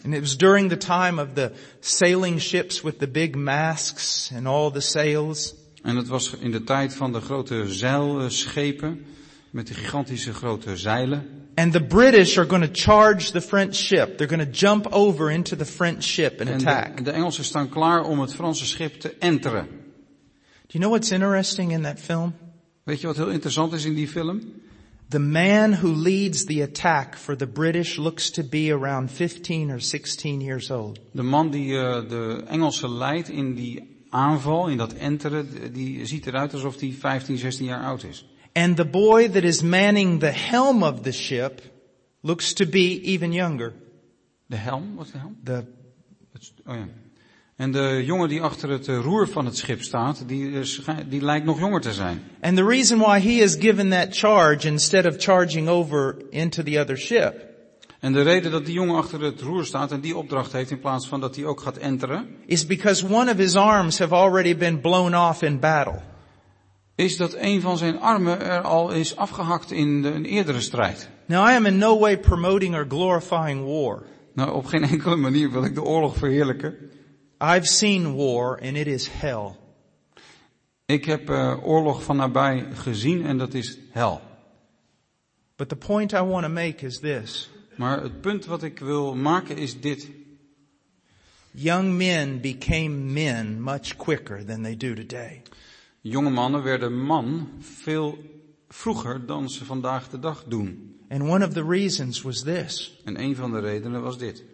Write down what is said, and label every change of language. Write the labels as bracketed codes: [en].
[en] And it was during the time of the sailing ships with the big masks and all the sails. [nl] En het was in de tijd van de grote zeilschepen met de gigantische grote zeilen. [en] And the British are going to charge the French ship. They're going to jump over into the French ship and attack. [nl] De Engelsen staan klaar om het Franse schip te enteren. [en] Do you know what's interesting in that film? [nl] Weet je wat heel interessant is in die film? [en] The man who leads the attack for the British looks to be around 15 or 16 years old. [nl] De man die de Engelsen leidt in die aanval, in dat enteren, die ziet eruit alsof hij 15, 16 jaar oud is. [en] And the boy that is manning the helm of the ship looks to be even younger. [nl] De helm? Wat is de helm? Oh ja. En de jongen die achter het roer van het schip staat, die lijkt nog jonger te zijn. [en] And the reason why he is given that charge instead of charging over into the other ship. [nl] En de reden dat die jongen achter het roer staat en die opdracht heeft in plaats van dat hij ook gaat enteren, [en] is because one of his arms have already been blown off in battle. [nl] Is dat een van zijn armen er al is afgehakt in een eerdere strijd. [en] Now I am in no way promoting or glorifying war. [nl] Nou, op geen enkele manier wil ik de oorlog verheerlijken. [en] I've seen war and it is hell. [nl] Ik heb oorlog van nabij gezien en dat is hel. [en] But the point I want to make is this. [nl] Maar het punt wat ik wil maken is dit. [en] Young men became men much quicker than they do today. [nl] Jonge mannen werden man veel vroeger dan ze vandaag de dag doen. [en] And one of the reasons was this. [nl] En een van de redenen was dit.